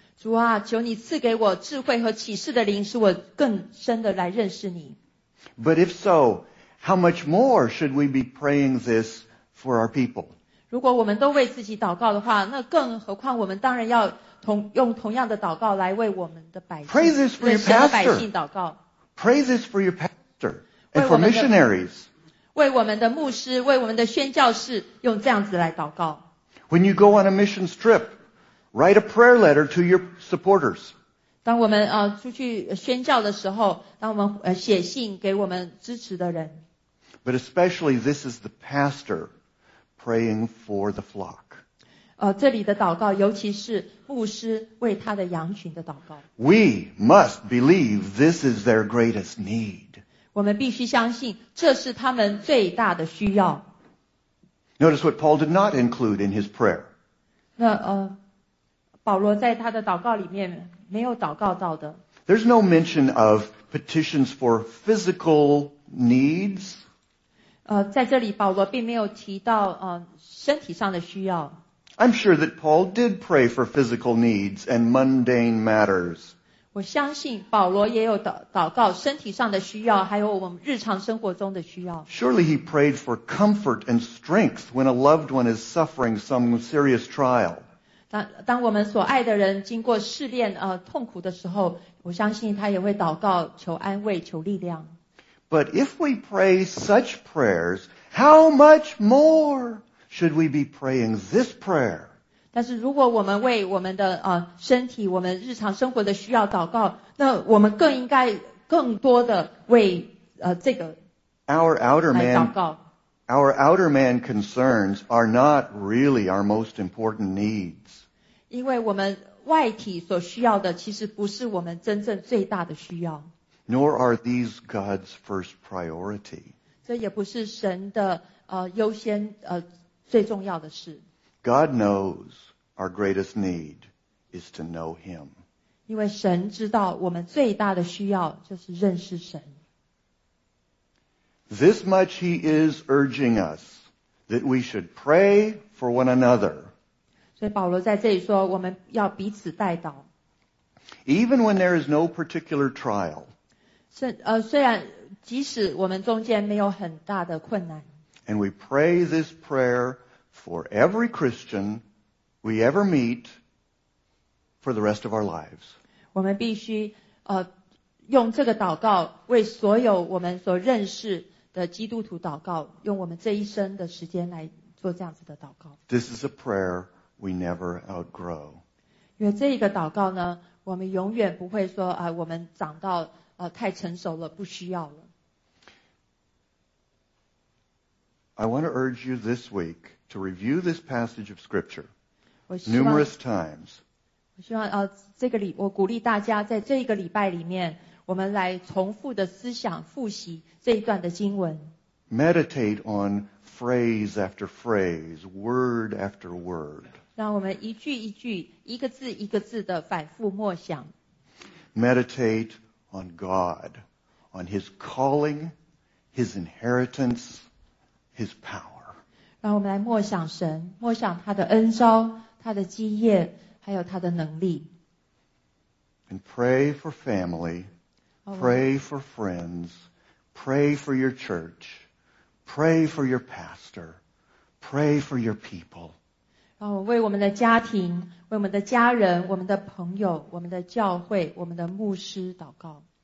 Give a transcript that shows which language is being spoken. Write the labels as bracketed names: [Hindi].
[Chinese] 主啊，求你赐给我智慧和启示的灵，使我更深的来认识你。 [English] But if so, how much more should we be praying this for our people? [Chinese] 如果我们都为自己祷告的话，那更何况我们当然要用同样的祷告来为我们的百姓、 [English] Pray this for your pastor. [Chinese] 为神的百姓祷告。 [English] Pray this for your pastor. And for missionaries. [Chinese] 为我们的牧师，为我们的宣教士，用这样子来祷告。 [English] When you go on a missions trip, write a prayer letter to your supporters. [Chinese] 当我们出去宣教的时候，当我们写信给我们支持的人。 [English] But especially this is the pastor praying for the flock. [Chinese] 这里的祷告，尤其是牧师为他的羊群的祷告。 [English] We must believe this is their greatest need. [Chinese] 我们必须相信这是他们最大的需要。 [English] Notice what Paul did not include in his prayer. [Chinese] 那保罗在他的祷告里面没有祷告到的。 [English] There's no mention of petitions for physical needs. [Chinese] 在这里保罗并没有提到身体上的需要。 [English] I'm sure that Paul did pray for physical needs and mundane matters. [Chinese] 我相信保罗也有祷告身体上的需要，还有我们日常生活中的需要。 [English] Surely he prayed for comfort and strength when a loved one is suffering some serious trial. [Chinese] 当我们所爱的人经过试炼痛苦的时候，我相信他也会祷告求安慰求力量。 [English] But if we pray such prayers, how much more should we be praying this prayer? [Chinese] 但是如果我们为我们的身体我们日常生活的需要祷告，那我们更应该更多的为这个来祷告。 [English] Our outer man concerns are not really our most important needs. [Chinese] 因为我们外体所需要的其实不是我们真正最大的需要。 [English] Nor are these God's first priority. [Chinese] 这也不是神的优先最重要的事。 [English] God knows our greatest need is to know Him. [Chinese] 因为神知道我们最大的需要就是认识神。 [English] This much He is urging us, that we should pray for one another. [Chinese] 所以保罗在这里说我们要彼此代祷。 [English] Even when there is no particular trial, [Chinese] 虽然即使我们中间没有很大的困难。 [English] And we pray this prayer for every Christian we ever meet for the rest of our lives. [Chinese] 我们必须用这个祷告为所有我们所认识的基督徒祷告，用我们这一生的时间来做这样子的祷告。 [English] This is a prayer we never outgrow. [Chinese] 因为这一个祷告呢，我们永远不会说我们长到太成熟了，不需要了。 [English] I want to urge you this week to review this passage of Scripture numerous times. [Chinese] 我希望这个礼，我鼓励大家在这个礼拜里面，我们来重复的思想、复习这一段的经文。 [English] Meditate on phrase after phrase, word after word. [Chinese] 让我们一句一句、一个字一个字的反复默想。 [English] Meditate on God, on His calling, His inheritance. His power. [Chinese] 让我们来默想神，默想他的恩召，他的基业，还有他的能力。 [English] And pray for family, pray for friends, pray for your church, pray for your pastor, pray for your people. [Chinese] 让我们为我们的家庭，为我们的家人，我们的朋友，我们的教会，我们的牧师祷告。